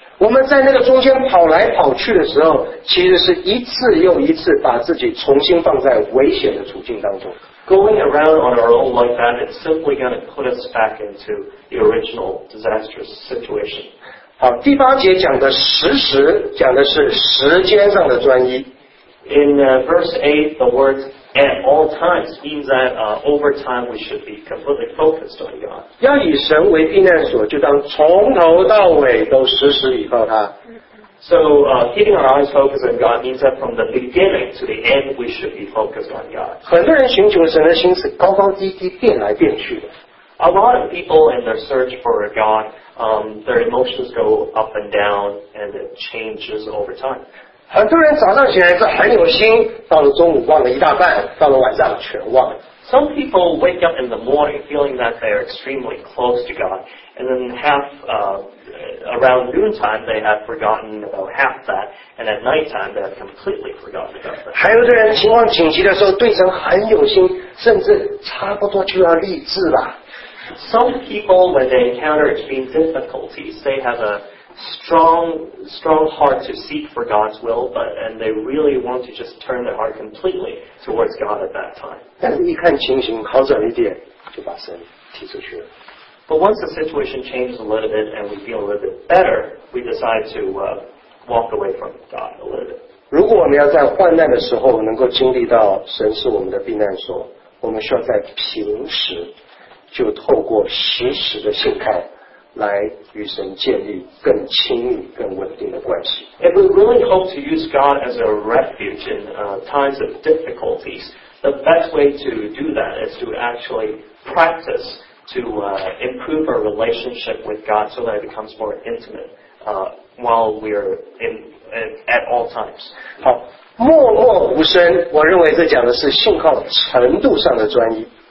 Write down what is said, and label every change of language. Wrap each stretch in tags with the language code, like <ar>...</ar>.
<zh>我们在那个中间跑来跑去的时候，其实是一次又一次把自己重新放在危险的处境当中。</zh> <en>Going around on our own like that is simply going to put us back into the original disastrous situation.</en> <zh>好，第八节讲的实时，讲的是时间上的专一。</zh> <en>In verse 8, the word at all times means that over time we should be completely focused on God.</en> <zh>要以神为避难所，就当从头到尾都时时倚靠他。</zh> <en>So keeping our eyes focused on God means that from the beginning to the end we should be focused on God.</en> <zh>很多人寻求神的心是高高低低变来变去的。</zh> <en>A lot of people in their search for God, their emotions go up and down and it changes over time.</en> <zh>很多人早上起来是很有心，到了中午忘了一大半，到了晚上全忘了。</zh> <en>Some people wake up in the morning feeling that they are extremely close to God, and then half around noontime they have forgotten about half that, and at nighttime they have completely forgotten about that.</en> <zh>还有的人情况紧急的时候对神很有心，甚至差不多就要立志了。</zh> <en>Some people, when they encounter extreme difficulties, they have a strong heart to seek for God's will, but and they really want to just turn their heart completely towards God at that time.</en> <zh>但是一看情形好转一点，就把神踢出去了。</zh> <en>But once the situation changes a little bit and we feel a little bit better, we decide to walk away from God a little bit.</en> <zh>如果我们要在患难的时候能够经历到神是我们的避难所，我们需要在平时就透过时时的信靠。来与神建立更亲密更稳定的关系。</zh> <en>If we really hope to use God as a refuge in times of difficulties, the best way to do that is to actually practice to improve our relationship with God so that it becomes more intimate while we are at all times.</en> <zh>好，默默无声，我认为这讲的是信靠程度上的专一。</zh>